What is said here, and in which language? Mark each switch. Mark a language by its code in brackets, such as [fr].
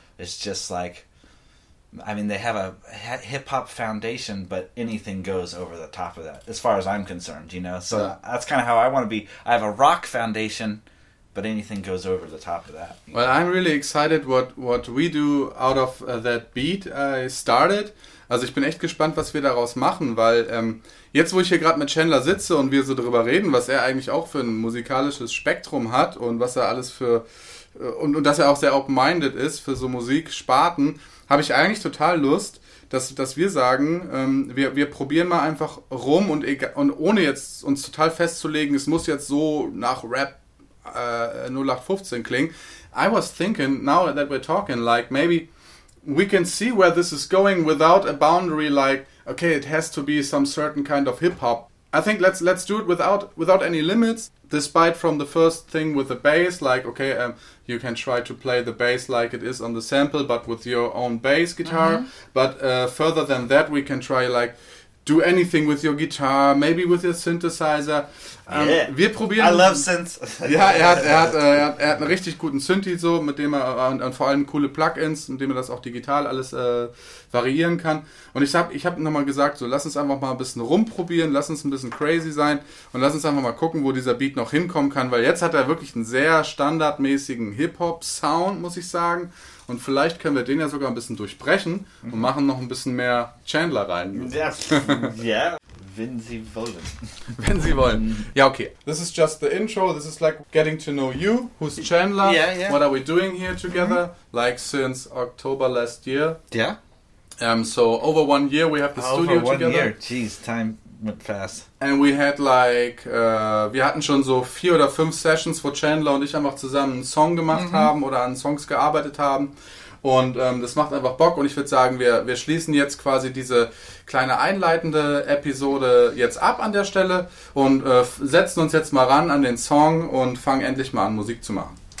[en] It's just like, I mean, they have a hip-hop foundation, but anything goes over the top of that, as far as I'm concerned, you know? So yeah, that's kind of how I want to be. I have a rock foundation, but anything goes over the top of that. Well, I'm really excited what we do out of that beat I started. [de] Also ich bin echt gespannt, was wir daraus machen, weil jetzt, wo ich hier gerade mit Chandler sitze und wir so drüber reden, was er eigentlich auch für ein musikalisches Spektrum hat und was er alles für, und dass er auch sehr open-minded ist für so Musiksparten, habe ich eigentlich total Lust, dass wir sagen, wir probieren mal einfach rum und ohne jetzt uns total festzulegen, es muss jetzt so nach Rap 0815 kling. [en] I was thinking, now that we're talking, like, maybe we can see where this is going without a boundary, like, okay, it has to be some certain kind of hip-hop. I think let's do it without any limits, despite from the first thing with the bass, like, okay, you can try to play the bass like it is on the sample, but with your own bass guitar, mm-hmm, but further than that, we can try, like, do anything with your guitar, maybe with your synthesizer. Yeah. [de] Wir probieren. [en] I love synths. [de] Ja, er hat einen richtig guten Synthi so, mit dem er und vor allem coole Plugins, mit dem er das auch digital alles variieren kann. Und ich hab nochmal gesagt, so, lass uns einfach mal ein bisschen rumprobieren, lass uns ein bisschen crazy sein und lass uns einfach mal gucken, wo dieser Beat noch hinkommen kann, weil jetzt hat er wirklich einen sehr standardmäßigen Hip-Hop-Sound, muss ich sagen. Und vielleicht können wir den ja sogar ein bisschen durchbrechen und machen noch ein bisschen mehr Chandler rein. Ja, wenn Sie wollen. Wenn Sie wollen. Ja, [en] okay. This is just the intro. This is like getting to know you. Who's Chandler? Yeah, yeah. What are we doing here together? Mm-hmm. Like since October last year. Yeah. So over 1 year we have the studio together. Over 1 year. Jeez, time went fast. And we had like, [de] wir hatten schon so 4 oder 5 Sessions, wo Chandler und ich einfach zusammen einen Song gemacht, mhm, haben oder an Songs gearbeitet haben. Und das macht einfach Bock. Und ich würde sagen, wir schließen jetzt quasi diese kleine einleitende Episode jetzt ab an der Stelle und setzen uns jetzt mal ran an den Song und fangen endlich mal an, Musik zu machen.